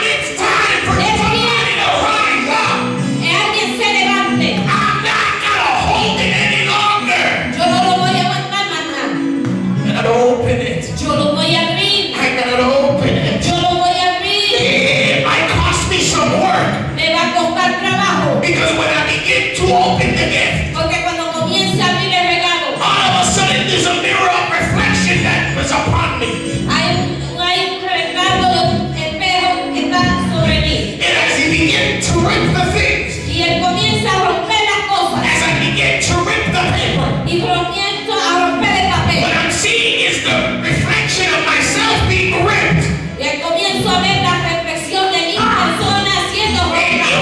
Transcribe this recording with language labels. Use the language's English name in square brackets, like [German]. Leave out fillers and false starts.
[English] It's time for somebody to rise up. [Spanish] Alguien se levante. [English] I'm not gonna hold it any longer. [Spanish] Yo no lo voy a aguantar más nada. [English] I'm gonna open it. [Spanish] Yo lo voy a abrir. [English] I'm gonna open it. [Spanish] Yo lo voy a abrir. [English] It might cost me some work. [Spanish] Me va a costar trabajo. [English] Because when I begin to open the gift, [Spanish] porque cuando comienza a abrir el regalo, [English] all of a sudden there's a mirror of reflection that was upon me. [Spanish] Hay un reflejo espejo que está sobre mí. [English] And as I begin to rip the things, [Spanish] y él comienza a romper las cosas. [English] As I begin to rip the paper, [Spanish] y comienzo a romper el papel. [English] What I'm seeing is the reflection of myself being ripped. [Spanish] Y comienzo a ver la reflexión de mi persona siendo rota.